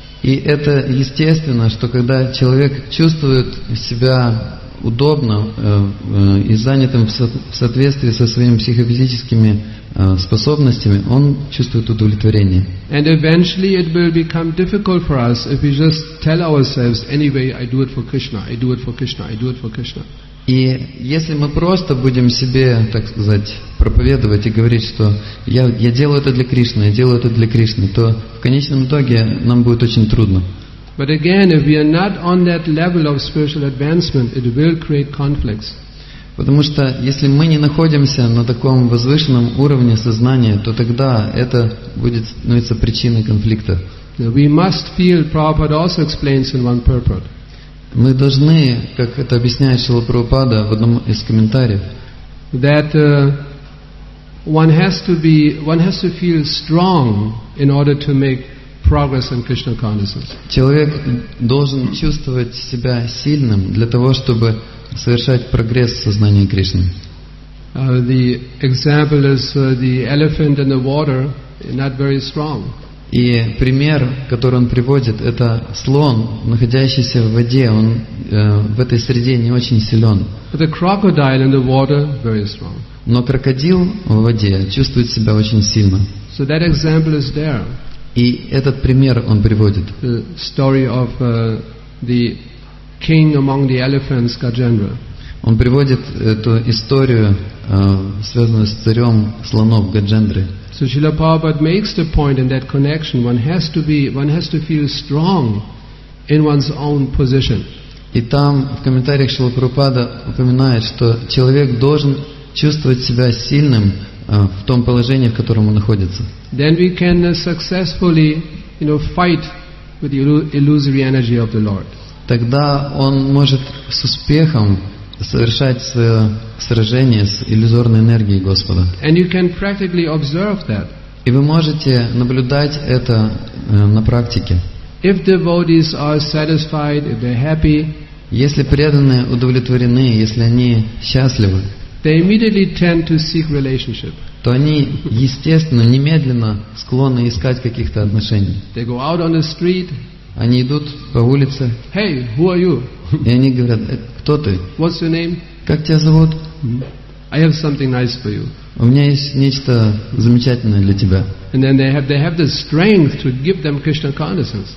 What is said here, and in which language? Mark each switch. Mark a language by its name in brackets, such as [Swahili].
[Russian] И это естественно, что когда человек чувствует себя удобно и занятым в соответствии со своими психофизическими способностями, он чувствует удовлетворение. [English] And eventually it will become difficult for us if we just tell ourselves, anyway, I do it for Krishna, I do it for Krishna, I do it for Krishna. [Russian] И если мы просто будем себе, так сказать, проповедовать и говорить, что я делаю это для Кришны, я делаю это для Кришны, то в конечном итоге нам будет очень трудно. [English] But again, if we are not on that level of spiritual advancement, it will create conflicts. [Russian] Потому что если мы не находимся на таком возвышенном уровне сознания, то тогда это будет становиться причиной конфликта. [English] We must feel, Prabhupada also explains in one purport. [Russian] Мы должны, как это объясняет Шрила Прабхупада в одном из комментариев, [English] that one has to feel strong in order to make progress in Krishna consciousness. [Russian] Человек должен чувствовать себя сильным для того, чтобы совершать прогресс в сознании Кришны. [English] The example is the elephant in the water, not very strong. [Russian] И пример, который он приводит, это слон, находящийся в воде, он в этой среде не очень силен. [English] But the crocodile in the water, very strong. [Russian] Но крокодил в воде чувствует себя очень сильно. [English] So that example is there. [Russian] И этот пример он приводит. [English] The story of the king among the elephants, Gajendra. [Russian] Он приводит эту историю, связанную с царем слонов Гаджендры. [English] So Srila Prabhupada makes the point in that connection, one has to feel strong in one's own position. [Russian] И там в комментариях Шрила Прабхупада упоминает, что человек должен чувствовать себя сильным в том положении, в котором он находится. [English] Then we can successfully, you know, fight with the illusory energy of the Lord. [Russian] Тогда он может с успехом совершать свое сражение с иллюзорной энергией Господа. [English] And you can practically observe that. [Russian] И вы можете наблюдать это на практике. [English] If devotees are satisfied, if they're happy, [Russian] если преданные удовлетворены, если они счастливы, [English] they immediately tend to seek relationship. [Russian] То они, естественно, немедленно склонны искать каких-то отношений. [English] They go out on the street. [Russian] Они идут по улице. [English] Hey, who are you? [Russian] И они говорят, кто ты? [English] What's your name? [Russian] Как тебя зовут? [English] I have something nice for you. [Russian] У меня есть нечто замечательное для тебя. [English] And then they have the strength to give them Krishna consciousness.